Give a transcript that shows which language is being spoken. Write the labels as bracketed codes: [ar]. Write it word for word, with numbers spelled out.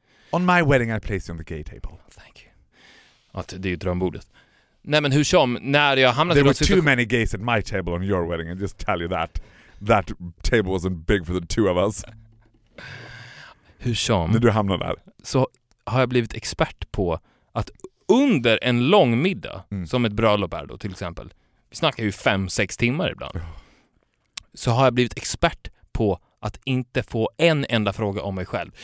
[en] On my wedding I place you on the gay table. Thank you. [sv] Att det är ju drömbordet. Nej, men hur som, när jag hamnade [en] there were situation... too many gays at my table on your wedding, and just tell you that. That table wasn't big for the two of us. [sv] Hur som... När du hamnade där. Så har jag blivit expert på att under en lång middag, Mm. som ett bröllop är då till exempel, vi snackar ju fem, sex timmar ibland, så har jag blivit expert på att inte få en enda fråga om mig själv.